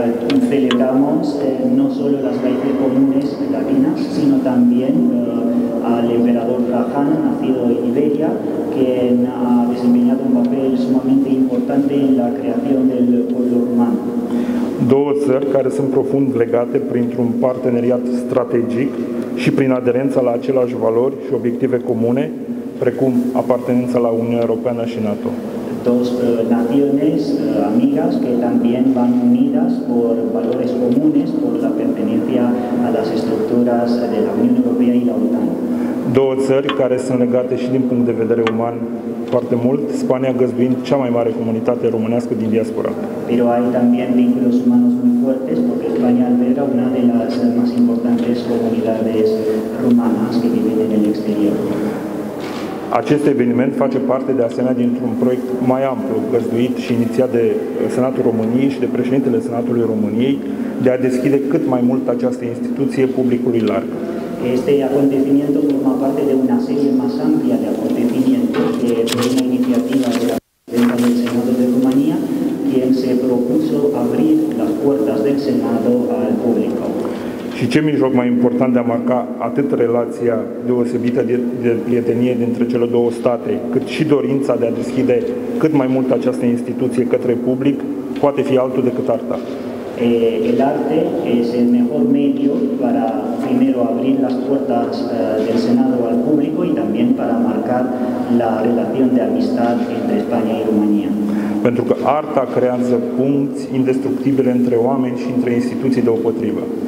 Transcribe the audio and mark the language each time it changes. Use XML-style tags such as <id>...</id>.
<es>Celebramos no solo las raíces comunes latinas, sino también al emperador Traján, nacido en Iberia, quien ha desempeñado un papel sumamente importante en la creación del pueblo romano.</es> <ro>Două țări care sunt profund legate printr-un parteneriat strategic și prin aderența la aceleași valori și obiective comune, precum apartenența la Uniunea Europeană și NATO.</ro> <es>Dos naciones amigas que también van unidas por valores comunes, por la pertenencia a las estructuras de la Unión Europea y la OTAN.</es> <ro>Două țări care sunt legate și din punct de vedere uman foarte mult, Spania găzduind cea mai mare comunitate românească din diaspora.</ro> <es>Pero hay también vínculos humanos muy fuertes porque España alberga una de las más importantes comunidades rumanas que viven en el exterior.</es> <ro>Acest eveniment face parte de asemenea dintr-un proiect mai amplu, găzduit și inițiat de Senatul României și de președintele Senatului României, de a deschide cât mai mult această instituție publicului larg.</ro> <es>Este aconteciment forma parte de una serie</es> <ro>mai amplă</ro> <es>de acontecimente de una inițiativă de la</es> <ro>președintele Senatului</ro> <es>România, quien se propuso abrir las puertas del Senado al público.</es> <ro>Și ce mijloc mai important de a marca atât relația deosebită de prietenie dintre cele două state, cât și dorința de a deschide cât mai mult această instituție către public, poate fi altul decât arta.</ro> <es>El arte es el mejor medio para primero abrir las puertas del Senado al público y también para marcar la relación de amistad entre España y Rumanía.</es> <ro>Pentru că arta creează punți indestructibile între oameni și între instituții deopotrivă.</ro>